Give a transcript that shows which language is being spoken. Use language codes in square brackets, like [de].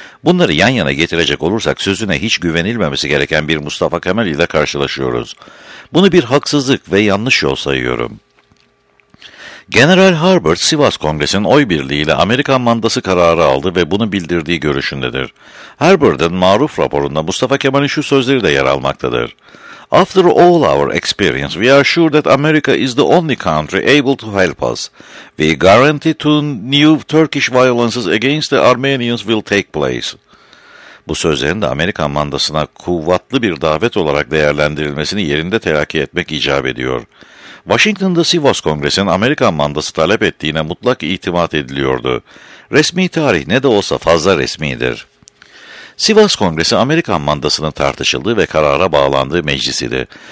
[tr] Bunları yan yana getirecek olursak sözüne hiç güvenilmemesi gereken bir Mustafa Kemal ile karşılaşıyoruz. Bunu bir haksızlık ve yanlış yol sayıyorum. General Herbert Sivas Kongresi'nin oy birliğiyle Amerikan mandası kararı aldı ve bunu bildirdiği görüşündedir. Herbert'ın maruf raporunda Mustafa Kemal'in şu sözleri de yer almaktadır. [en] After all our experience, we are sure that America is the only country able to help us. We guarantee to new Turkish violences against the Armenians will take place. [tr] Bu sözlerin de Amerikan mandasına kuvvetli bir davet olarak değerlendirilmesini yerinde telakki etmek icap ediyor. Washington'da Sivas Kongresi'nin Amerikan mandası talep ettiğine mutlak itimat ediliyordu. Resmi tarih ne de olsa fazla resmidir. Sivas Kongresi Amerikan mandasının tartışıldığı ve karara bağlandığı meclisiydi.